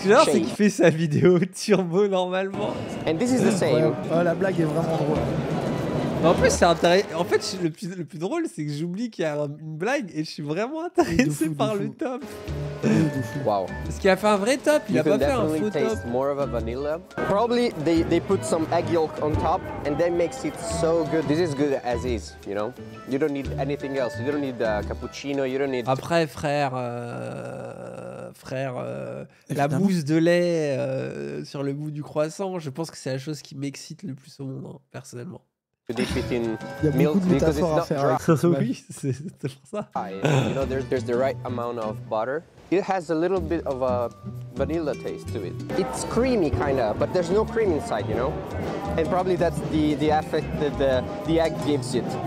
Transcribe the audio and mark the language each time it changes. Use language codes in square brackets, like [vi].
[fr] Ce genre, c'est qu'il fait sa vidéo turbo, normalement. [en] And this is the same. [fr] Ouais. Oh, la blague est vraiment drôle. En plus, c'est intéressant. En fait, le plus drôle, c'est que j'oublie qu'il y a une blague et je suis vraiment intéressé par le top. [en] Wow. [fr] Parce qu'il a fait un vrai top, il you a pas fait un faux top. [en] Taste more of a vanilla. Probably they put some egg yolk on top and that makes it so good. This is good as is, you know. You don't need anything else. You don't need cappuccino. You don't need. [fr] Après, frère, la mousse de lait sur le bout du croissant. Je pense que c'est la chose qui m'excite le plus au monde, hein, personnellement. Il y a beaucoup de métaphores à faire avec ça. Oui, c'est pour ça. [en] You know, there's the right amount of butter. It has a little bit of a vanilla taste to it. It's creamy, kind of, but there's no cream inside, you know? And probably that's the effect that the egg gives it.